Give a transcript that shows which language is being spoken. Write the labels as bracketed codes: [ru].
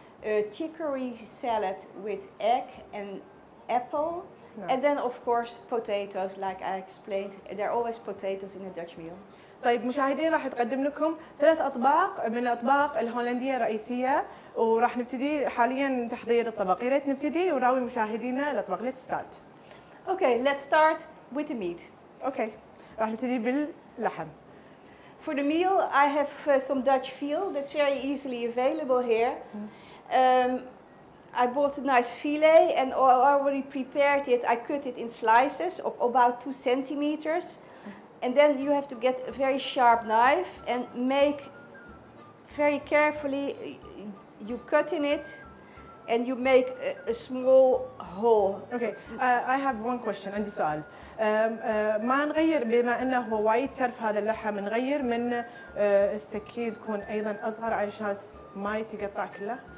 [en] A chicory salad with egg and apple. No. And then of course potatoes, like I explained, there are always potatoes in a Dutch meal. [ar] طيب مشاهدين، راح نقدم لكم ثلاث اطباق من الاطباق الهولنديه الرئيسيه، وراح نبتدي حاليا تحضير الطبق. يا ريت نبتدي وراوي مشاهدينا الاطباق. [en] Let's start. Okay, let's start with the meat. [ar] Okay. راح نبتدي باللحم. [en] For the meal, I have some Dutch veal that's very easily available here. I bought a nice fillet and I already prepared it. I cut it in slices of about 2 centimeters. And then you have to get a very sharp knife and make very carefully, you cut in it and you make a small hole. Okay, I have one question. [ar] عندي سؤال. ما نغير، بما انه هو وايد ترف هذا اللحم، نغير من السكين تكون ايضا اصغر عشان ما يتقطع كله؟